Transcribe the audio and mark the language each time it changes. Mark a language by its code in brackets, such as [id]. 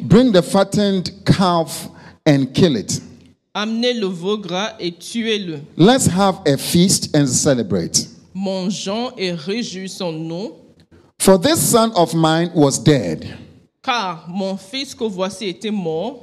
[en] Bring the fattened calf and kill it. [fr] Amenez le veau gras et tuez-le. [en] Let's have a feast and celebrate. [fr] Mangeons et réjouissons-nous. [en] For this son of mine was dead. [fr] Car mon fils que voici était mort.